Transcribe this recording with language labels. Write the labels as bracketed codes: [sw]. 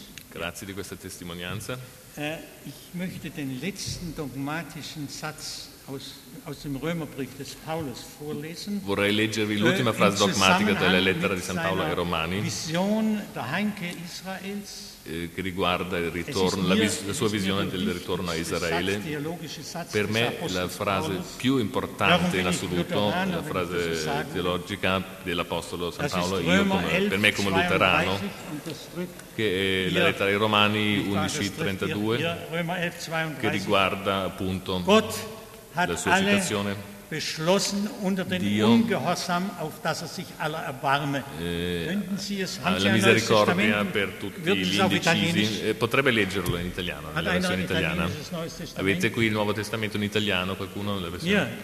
[it] Grazie di questa testimonianza. [de] Ich möchte den letzten dogmatischen Satz aus dem Römerbrief des Paulus vorlesen. [it] Vorrei leggervi l'ultima frase dogmatica della lettera di San Paolo ai Romani, che riguarda il ritorno, la sua visione del ritorno a Israele. Per me la frase più importante in assoluto, la frase teologica dell'Apostolo San Paolo, per me come luterano, che è la lettera ai Romani 11:32, che riguarda appunto la sua citazione. [de] Beschlossen unter den [it] Dio, [de] Ungehorsam, auf dass er sich aller erbarme. Könnten Sie es [it] la misericordia per tutti gli indecisi, potrebbe leggerlo in italiano, nella versione italiana. Avete qui il Nuovo Testamento in italiano, qualcuno nella versione?